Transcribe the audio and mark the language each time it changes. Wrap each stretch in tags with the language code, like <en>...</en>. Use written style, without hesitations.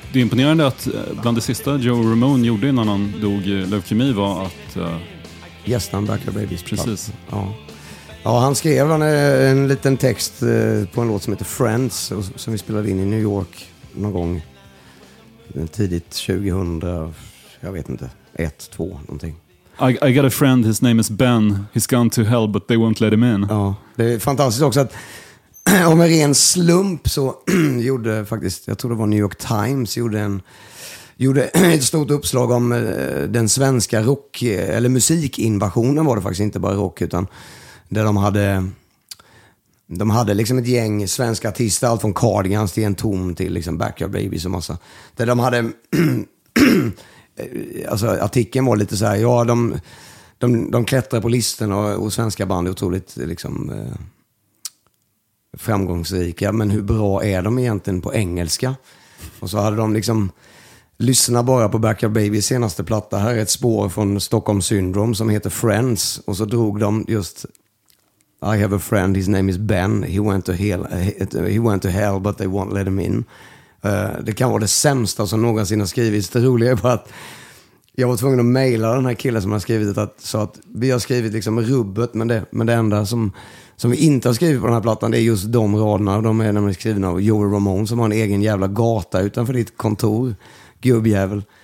<sv>Det är imponerande att bland det sista Joe Ramone gjorde innan han dog i leukemi var att gästan Backyard Babies. Precis. Ja, han skrev en liten text på en låt som heter Friends, som vi spelade in i New York någon gång tidigt 2000, jag vet inte, 1, 2, någonting.</sv> <en>I got a friend, his name is Ben, he's gone to hell but they won't let him in.</en> <sv>Ja, det är fantastiskt också att om en ren slump så gjorde faktiskt, jag tror det var New York Times, gjorde ett stort uppslag om den svenska rock- eller musikinvasionen, var det faktiskt inte bara rock, utan där de hade liksom ett gäng svenska artister, allt från Cardigans till Entom till liksom Backyard Babies och massa, där de hade alltså artikeln var lite så här, ja, de klättrar på listorna och svenska band är otroligt liksom framgångsrika, men hur bra är de egentligen på engelska? Och så hade de liksom: lyssna bara på Backyard Babies senaste platta. Här är ett spår från Stockholm Syndrome som heter Friends. Och så drog de just</sv> <en>I have a friend, his name is Ben. He went to hell, but they won't let him in.</en> <sv>Det kan vara det sämsta som någonsin har skrivits. Det roliga är bara att jag var tvungen att mejla den här killen som har skrivit att, så att vi har skrivit liksom rubbet, men det enda som vi inte har skrivit på den här plattan, det är just de raderna. De är nämligen skrivna av Joey Ramone, som har en egen jävla gata utanför ditt kontor. Gubbjävel.</sv>